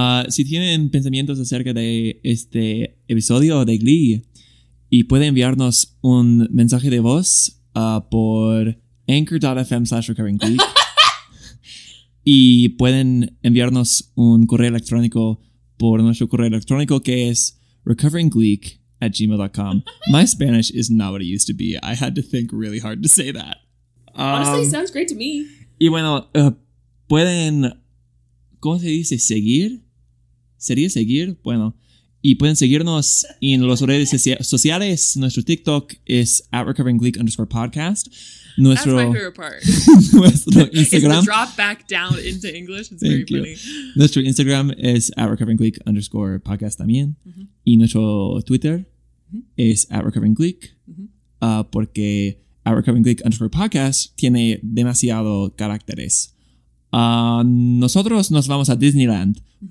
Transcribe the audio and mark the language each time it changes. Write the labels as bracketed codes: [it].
[es] Si tienen pensamientos acerca de este episodio de Glee, y pueden enviarnos un mensaje de voz por anchor.fm/recurringglee. Y pueden enviarnos un correo electrónico por nuestro correo electrónico que es recurringglee@gmail.com. [en] My Spanish is not what it used to be. I had to think really hard to say that. Honestly, sounds great to me. [es] Y bueno, pueden, ¿cómo se dice? ¿Seguir? ¿Sería seguir? Bueno, y pueden seguirnos en las redes sociales. Nuestro TikTok es @recoveringgleek_podcast. Nuestro, [en] that's my favorite part. [es] Nuestro Instagram. [en] It's the drop back down into English. It's thank very you. Funny. [es] Nuestro Instagram es @recoveringgleek_podcast también. Mm-hmm. Y nuestro Twitter mm-hmm. es @recoveringgleek. Mm-hmm. Porque @recoveringgleek_podcast tiene demasiado caracteres. Nosotros nos vamos a Disneyland. Mm-hmm.